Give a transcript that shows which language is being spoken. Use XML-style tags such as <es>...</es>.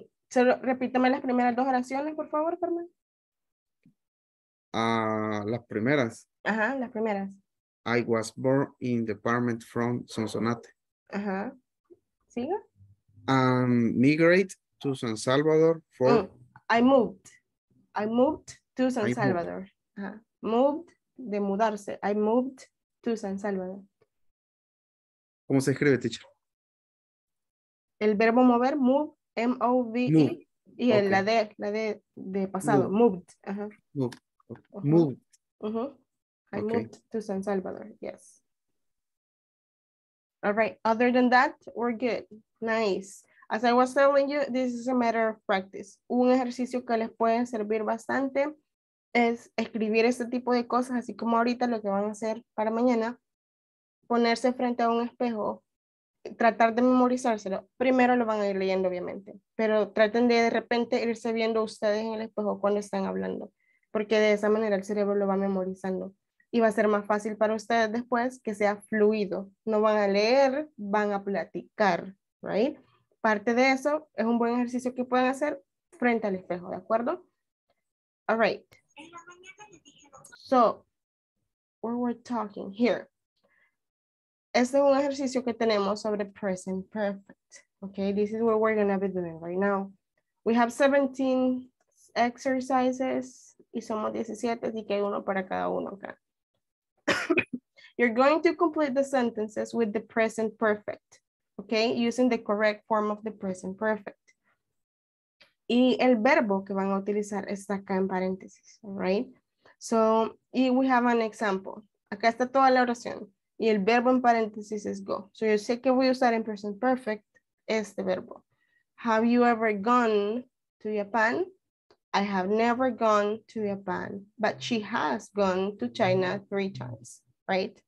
<es>So, repítame las primeras dos oraciones, por favor, Herman. Las primeras. Ajá, las primeras.</es> <en>I was born in the apartment from Sonsonate.</en> <es>Ajá. ¿Siga?</es> <en>Migrate to San Salvador for I moved. I moved to San Salvador. Moved,</en> <es>de mudarse.</es> <en>I moved to San Salvador.</en> <es>¿Cómo se escribe, teacher? El verbo mover, move, M-O-V-E. Move. Y okay. la de pasado, move. Moved. Uh-huh.</es> <en>Move. Uh-huh. Moved. Uh-huh. I moved to San Salvador, yes. All right, other than that, we're good. Nice. As I was telling you, this is a matter of practice.</en> <es>Un ejercicio que les puede servir bastante es escribir este tipo de cosas, así como ahorita lo que van a hacer para mañana, ponerse frente a un espejo, tratar de memorizárselo. Primero lo van a ir leyendo, obviamente, pero traten de repente irse viendo ustedes en el espejo cuando están hablando, porque de esa manera el cerebro lo va memorizando. Y va a ser más fácil para ustedes después que sea fluido. No van a leer, van a platicar, right? Parte de eso es un buen ejercicio que pueden hacer frente al espejo, ¿de acuerdo? All right.</es> <en>So, where we're talking here.</en> <es>Este es un ejercicio que tenemos sobre present perfect.</es> <en>Okay, this is what we're going to be doing right now. We have 17 exercises</en> <es>y somos 17, así que hay uno para cada uno acá.</es> <en>You're going to complete the sentences with the present perfect, okay? Using the correct form of the present perfect.</en> <es>Y el verbo que van a utilizar está acá en paréntesis, right? So, y</es> <en>we have an example.</en> <es>Acá está toda la oración. Y el verbo en paréntesis es go. So yo sé que voy a usar en present perfect este verbo.</es> <en>Have you ever gone to Japan? I have never gone to Japan, but she has gone to China 3 times, right?</en>